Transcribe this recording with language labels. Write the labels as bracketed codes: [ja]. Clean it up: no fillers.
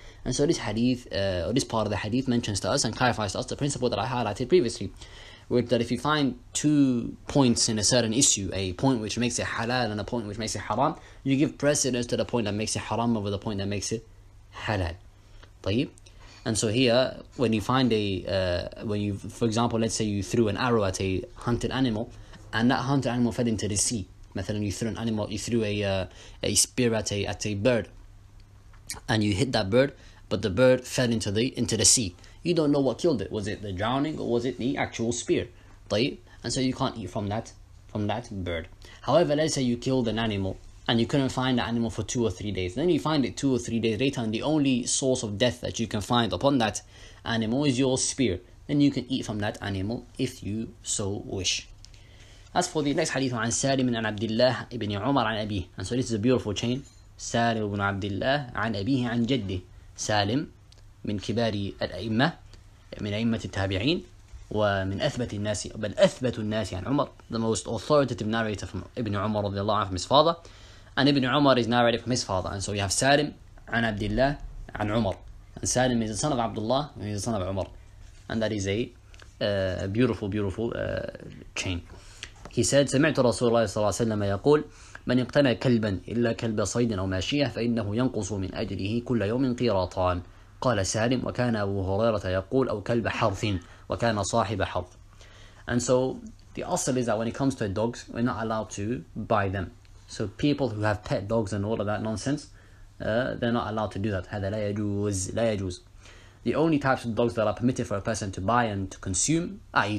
[en] And so this hadith, or this part of the hadith, mentions to us and clarifies to us the principle that I highlighted previously, which that if you find two points in a certain issue, a point which makes it halal and a point which makes it haram, you give precedence to the point that makes it haram over the point that makes it halal. [ar] طيب. [en] And so here, when you find let's say you threw an arrow at a hunted animal, and that hunted animal fell into the sea. Mathalan, you threw a spear at a bird, and you hit that bird, but the bird fell into the sea. You don't know what killed it. Was it the drowning or was it the actual spear? [ar] طيب. [en] And so you can't eat from that bird. However, let's say you killed an animal and you couldn't find the animal for 2 or 3 days. Then you find it 2 or 3 days later, and the only source of death that you can find upon that animal is your spear. Then you can eat from that animal if you so wish. As for the next hadith, [ar] عن سالم عن عبد الله ابن عمر عن أبيه. [en] And so this is a beautiful chain. [ar] سالم بن عبد الله عن أبيه عن جده. سالم من كبار الأئمة من أئمة التابعين ومن أثبت الناس بل أثبت الناس عن عمر. [en] The most authoritative narrator from ابن عمر رضي الله عنه, from his father. And ابن عمر is narrated from his father. And so we have سالم عن عبد الله عن عمر. And سالم is the son of Abdullah and he's the son of عمر. And that is a beautiful, beautiful chain. [ar] He said, سمعت رسول الله صلى الله عليه وسلم يقول من اقتنى كلبا إلا كلب صيد أو ماشية فإنه ينقص من أجله كل يوم قيراطان. قال سالم وكان أبو هريرة يقول أو كلب حرث وكان صاحب حرث. [en] And so the اصل is that when it comes to dogs, we're not allowed to buy them. So people who have pet dogs and all of that nonsense, they're not allowed to do that. [ar] هذا لا يجوز, لا يجوز. [en] The only types of dogs that are permitted for a person to buy and to consume, i.e.